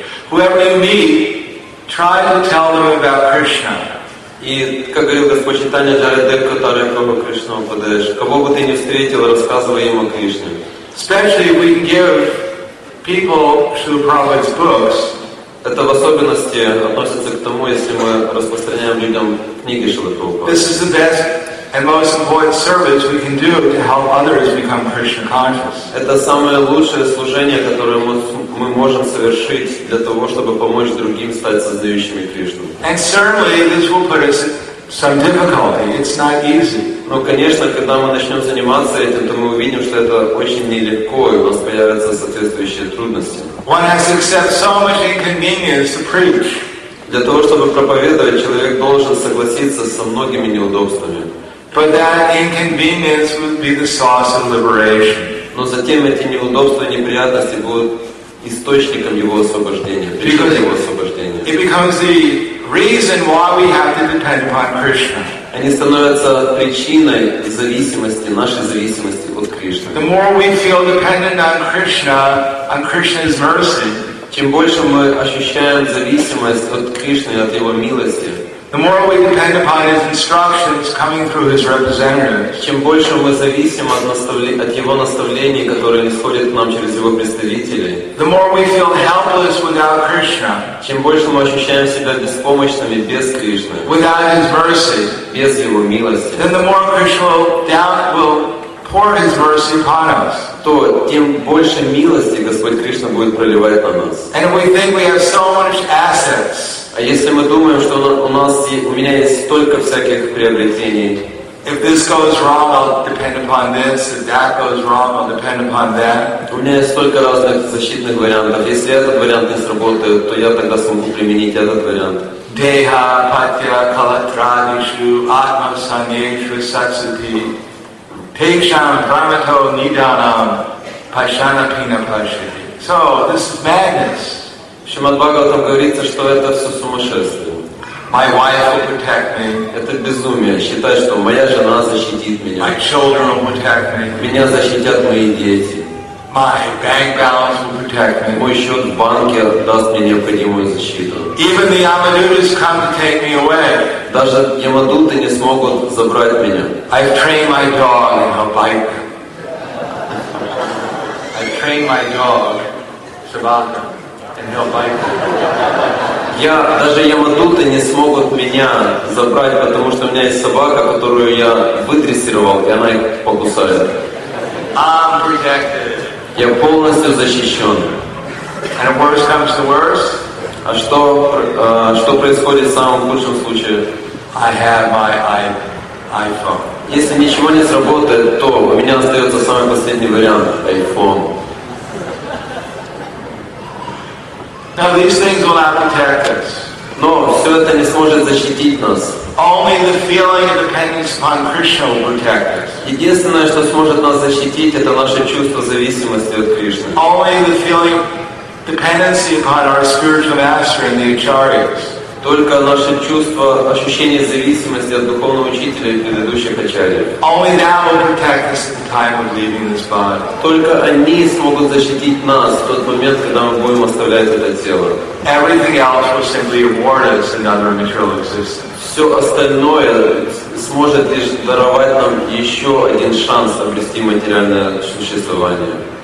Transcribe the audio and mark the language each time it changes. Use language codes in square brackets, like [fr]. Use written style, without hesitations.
[en] Whoever you meet, try to tell them about Krishna. [ru] И как говорил Господь Чайтанья Чаритамрита, который кого Кришну подаешь, кого бы ты ни встретил, рассказывай ему о Кришне. [en] Especially if we can give people Srila Prabhupada's books. [ru] Это в особенности относится к тому, если мы распространяем людям книги Шрилы Прабхупады. [en] This is the best and most important service we can do to help others become Krishna conscious. [ru] Это самое лучшее служение, которое мы можем совершить для того, чтобы помочь другим стать создающими Кришну. [en] And certainly this will put us some difficulty. It's not easy. [ru] Но, конечно, когда мы начнем заниматься этим, то мы увидим, что это очень нелегко, и у нас появятся соответствующие трудности. [en] One has to accept so much inconvenience to preach. [ru] Для того, чтобы проповедовать, человек должен согласиться со многими неудобствами. [en] But that inconvenience would be the source of liberation. [ru] Но затем эти неудобства, неприятности будут источником его освобождения, причиной его освобождения. [en] It becomes the reason why we have to depend upon Krishna. [ru] Они становятся причиной зависимости, нашей зависимости от Кришны. [en] The more we feel dependent on Krishna's mercy, [ru] чем больше мы ощущаем зависимость от Кришны, от Его милости, [en] the more we depend upon His instructions coming through His representatives, [ru] чем больше мы зависим от Его наставлений, которые исходят к нам через Его представителей, [en] the more we feel helpless without Krishna, [ru] чем больше мы ощущаем себя беспомощными без Кришны, [en] without His mercy, [ru] без Его милости, [en] then the more Krishna will pour His mercy upon us, [ru] то тем больше милости Господь Кришна будет проливать на нас. [en] And we think we have so much assets. [ru] А если мы думаем, что у меня есть столько всяких приобретений, [en] If this goes wrong, I'll depend upon this. If that goes wrong, I'll depend upon that. [ru] У меня столько разных защитных вариантов. Если этот вариант не сработает, то я тогда смогу применить этот вариант. [sa] Deha patya kalatradishu atma sanyeshu satsati teksham pramato nidanam pashanapina pashati. [en] So this is madness. [ru] Шримад Бхагаватам говорится, что это все сумасшествие. [en] My wife will protect me. [ru] Это безумие. Считать, что моя жена защитит меня. [en] My children will protect me. [ru] Меня защитят мои дети. [en] My bank balance will protect me. [ru] Мой счет в банке даст мне необходимую защиту. [en] Even the Yamadutas come to take me away. [ru] Даже Ямадуты не смогут забрать меня. [en] I've trained my dog and he'll bite them. I've trained my dog, Sabata, and he'll bite them. [ru] Даже Ямадуты не смогут меня забрать, потому что у меня есть собака, которую я выдрессировал, и она их покусает. [en] I'm protected. [ru] Я полностью защищен. [en] And if worse comes to worse, [ru] а что, что происходит в самом худшем случае? [en] I have my iPhone. [ru] Если ничего не сработает, то у меня остается самый последний вариант – iPhone. [en] Now these things will not protect us. [ru] Но все это не сможет защитить нас. [en] Only the feeling of dependence upon Krishna will protect us. [ru] Единственное, что сможет нас защитить, это наше чувство зависимости от Кришны. [en] Only the feeling of dependency upon our spiritual master and the acharyas. [ru] Только наше чувство, ощущение зависимости от духовного учителя и предыдущих ачарьев. [en] Only that will protect us at the time of leaving this body. [ru] Только они смогут защитить нас в тот момент, когда мы будем оставлять это тело. [en] Everything else will simply award us another material existence. [ru] Все остальное сможет лишь даровать нам еще один шанс обрести материальное существование.